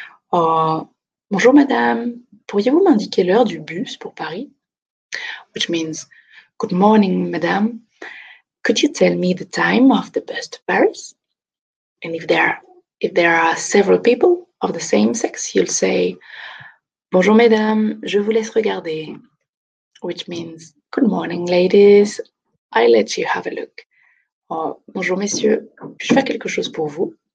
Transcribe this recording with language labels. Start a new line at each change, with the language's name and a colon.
French: Or, bonjour madame, pourriez-vous m'indiquer l'heure du bus pour Paris?
English: Which means, good morning madame, could you tell me the time of the bus to Paris? And if there are several people of the same sex, you'll say,
French: bonjour mesdames, je vous laisse regarder.
English: Which means, good morning ladies, I'll let you have a look.
French: Or, bonjour messieurs, puis-je faire quelque chose pour vous?